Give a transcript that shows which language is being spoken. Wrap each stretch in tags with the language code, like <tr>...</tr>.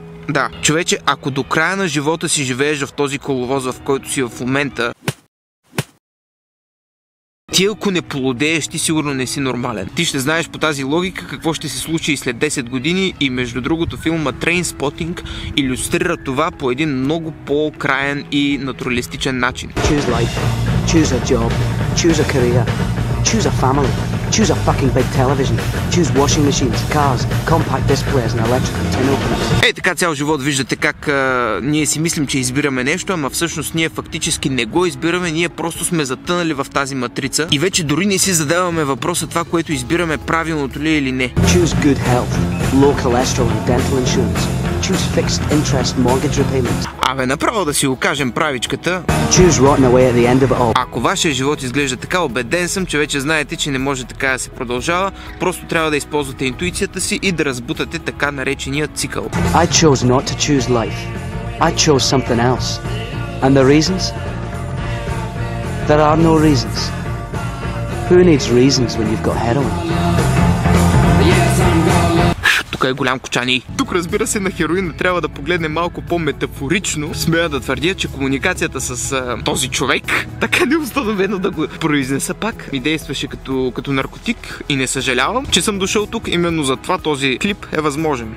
<bg>Да, човече, ако до края на живота си живееш в този коловоз, в който си в момента, ти ако не полудееш, ти сигурно не си нормален. Ти ще знаеш по тази логика какво ще се случи и след 10 години и между другото филма Trainspotting илюстрира това по един много по-краен и натуралистичен начин.</bg> <en>Choose life, choose a job, choose a career, choose a family, choose a fucking big television, choose washing machines, cars, compact displays and electrical tin openers.</en> <bg>Ей, така цял живот виждате как ние си мислим, че избираме нещо, ама всъщност ние фактически не го избираме, ние просто сме затънали в тази матрица и вече дори не си задаваме въпроса това, което избираме, правилното ли или не.</bg> <en>Choose good health, low cholesterol and dental insurance. Choose fixed interest mortgage repayments.</en> <bg>Абе, направо да си окажем правичката.</bg> <en>Choose rotten away at the end of it all.</en> <bg>Ако вашия живот изглежда така, убеден съм, че вече знаете, че не може така да се продължава. Просто трябва да използвате интуицията си и да разбутате така наречения цикъл.</bg> <en>I chose not to choose life. I chose something else. And the reasons? There are no reasons. Who needs reasons when you've got heroin?</en> <bg>Тук е голям кочани. Тук, разбира се, на хероина трябва да погледне малко по-метафорично. Смея да твърдя, че комуникацията с този човек, така неустановено да го произнеса пак, ми действаше като наркотик и не съжалявам, че съм дошъл тук. Именно за това този клип е възможен.</bg>